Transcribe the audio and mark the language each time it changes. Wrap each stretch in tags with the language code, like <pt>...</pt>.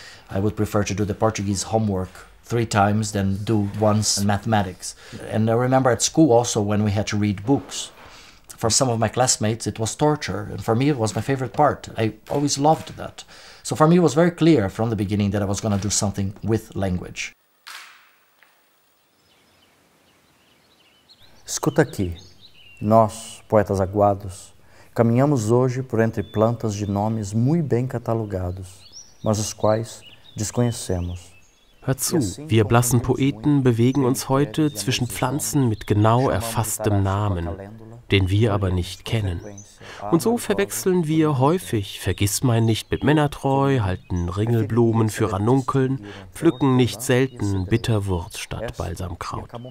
<en>I would prefer to do the Portuguese homework three times than do once mathematics. And I remember at school also when we had to read books. For some of my classmates, it was torture, and for me, it was my favorite part. I always loved that. So for me, it was very clear from the beginning that I was going to do something with language.</en> <pt>Escuta aqui. Nós, poetas aguados, caminhamos hoje por entre plantas de nomes muito bem catalogados, mas os quais desconhecemos.</pt> <de>Hör zu, wir blassen Poeten bewegen uns heute zwischen Pflanzen mit genau erfasstem Namen, den wir aber nicht kennen. Und so verwechseln wir häufig Vergissmeinnicht mit Männertreu, halten Ringelblumen für Ranunkeln, pflücken nicht selten Bitterwurz statt Balsamkraut.</de>